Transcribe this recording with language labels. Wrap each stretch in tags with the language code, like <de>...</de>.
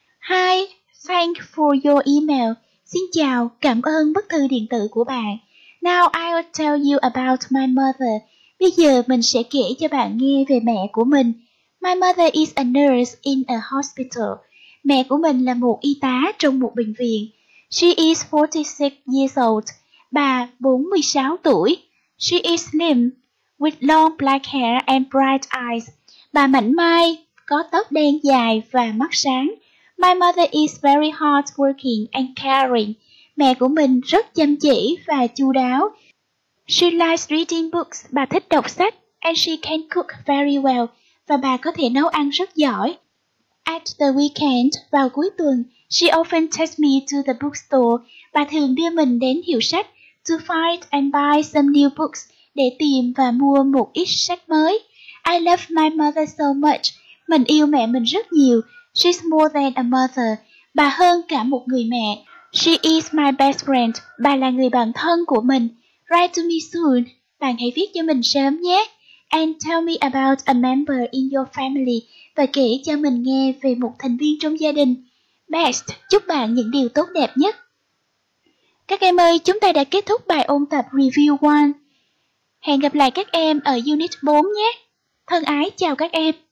<en>Hi, thank for your email.</en> <vi>Xin chào, cảm ơn bức thư điện tử của bạn.</vi> <en>Now I'll tell you about my mother.</en> <vi>Bây giờ mình sẽ kể cho bạn nghe về mẹ của mình.</vi> <en>My mother is a nurse in a hospital.</en> <vi>Mẹ của mình là một y tá trong một bệnh viện.</vi> <en>She is 46 years old.</en> <vi>Bà 46 tuổi.</vi> <en>She is slim, with long black hair and bright eyes.</en> <vi>Bà mảnh mai, có tóc đen dài và mắt sáng.</vi> <en>My mother is very hardworking and caring.</en> <vi>Mẹ của mình rất chăm chỉ và chu đáo.</vi> <en>She likes reading books.</en> <vi>Bà thích đọc sách.</vi> <en>And she can cook very well.</en> <vi>Và bà có thể nấu ăn rất giỏi.</vi> <en>At the weekend,</en> <vi>vào cuối tuần,</vi> <en>she often takes me to the bookstore.</en> <vi>Bà thường đưa mình đến hiệu sách</vi> <en>to find and buy some new books,</en> <vi>để tìm và mua một ít sách mới.</vi> <en>I love my mother so much.</en> <vi>Mình yêu mẹ mình rất nhiều.</vi> <en>She's more than a mother.</en> <vi>Bà hơn cả một người mẹ.</vi> <en>She is my best friend.</en> <vi>Bà là người bạn thân của mình.</vi> <en>Write to me soon.</en> <vi>Bạn hãy viết cho mình sớm nhé.</vi> <en>And tell me about a member in your family.</en> <vi>Và kể cho mình nghe về một thành viên trong gia đình.</vi> <en>Best.</en> <vi>Chúc bạn những điều tốt đẹp nhất. Các em ơi, chúng ta đã kết thúc bài ôn tập Review 1. Hẹn gặp lại các em ở Unit 4 nhé. Thân ái chào các em.</vi>